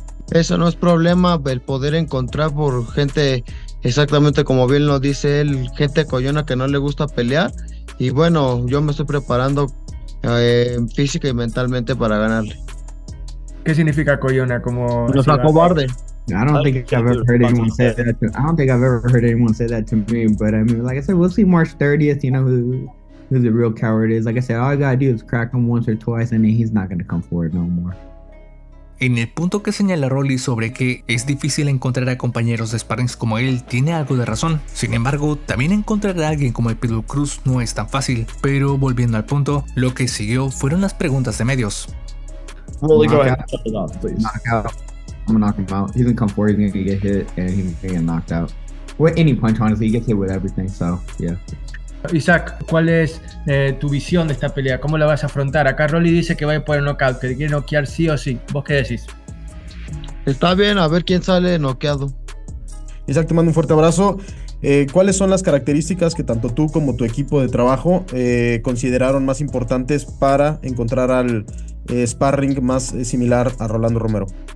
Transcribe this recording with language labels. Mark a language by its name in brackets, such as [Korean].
[Spanish] Eso no es problema, el poder encontrar por gente, exactamente como bien lo dice él, gente coyona que no le gusta pelear. Y bueno, yo me estoy preparando física y mentalmente para ganarle. ¿Qué significa coyona? ¿Cómo Nos así sacó lo cobarde. [English] I don't think I've ever heard anyone say that to, I don't think I've ever heard anyone say that to me, but I mean, like I said, we'll see March 30th, you know who the real coward is. Like I said, all I gotta do is crack him once or twice and then he's not gonna come forward no more. [Spanish] En el punto que señala Rolly sobre que es difícil encontrar a compañeros de sparring como él, tiene algo de razón. Sin embargo, también encontrar a alguien como el Pitbull Cruz no es tan fácil. Pero volviendo al punto, lo que siguió fueron las preguntas de medios. [English] Rolly, go ahead and shut it off, please. Knockout. I'm gonna knock him out. He's gonna come forward, he's gonna get hit, and he's gonna get knocked out. With any punch, honestly, he gets hit with everything, so yeah. [Spanish] Isaac, ¿cuál es tu visión de esta pelea? ¿Cómo la vas a afrontar? Acá Rolly dice que va a ir por el knockout, que quiere noquear sí o sí. ¿Vos qué decís? Está bien, a ver quién sale noqueado. Isaac, te mando un fuerte abrazo. ¿Cuáles son las características que tanto tú como tu equipo de trabajo consideraron más importantes para encontrar al sparring más similar a Rolando Romero?